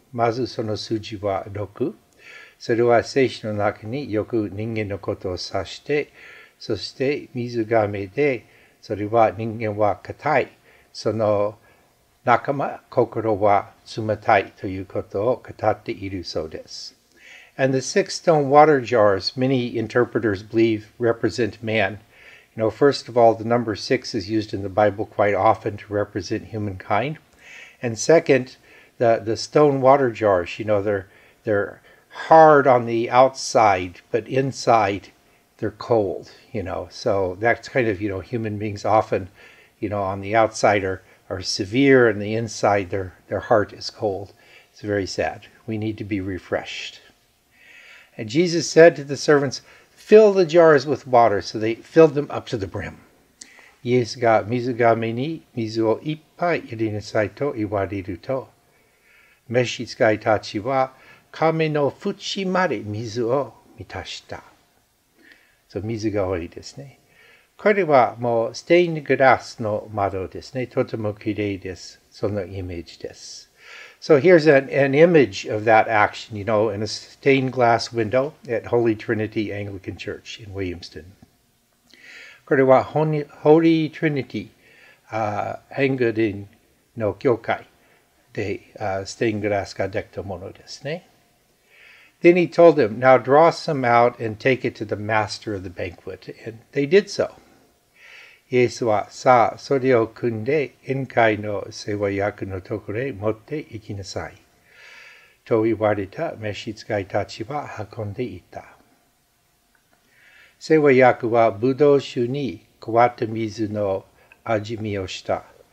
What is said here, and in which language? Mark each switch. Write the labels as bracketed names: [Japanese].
[Japanese] まずその数字は6。それは聖書の中によく人間のことを指して、そして水がめで、それは人間は硬い、その仲間、心は冷たいということを語っているそうです。 [English] And the six stone water jars, many interpreters believe, represent man. You know, first of all, the number six is used in the Bible quite often to represent humankind. And second, the stone water jars, you know, they're hard on the outside, but inside they're cold, you know. So that's kind of, you know, human beings often, you know, on the outside are severe and the inside their heart is cold. It's very sad. We need to be refreshed. And Jesus said to the servants, fill the jars with water. So they filled them up to the brim. [Japanese] イエスが水がめに水をいっぱい入れなさいと言われると、召使いたちは亀の縁まで水を満たした。 So 水が多いですね。これはもうステインドグラスの窓ですね。とてもきれいです。そのイメージです。 [English] So here's an image of that action, you know, in a stained glass window at Holy Trinity Anglican Church in Williamston. [Japanese] これは Holy Trinity Anglican の教会で stained glass ができたものですね。 [English] Then he told them, now draw some out and take it to the master of the banquet. And they did so. [Japanese] イエスはさあそれを汲んで宴会の世話役のところへ持って行きなさい。と言われた召使いたちは運んでいた。世話役はブドウ酒に変わった水の味見をした。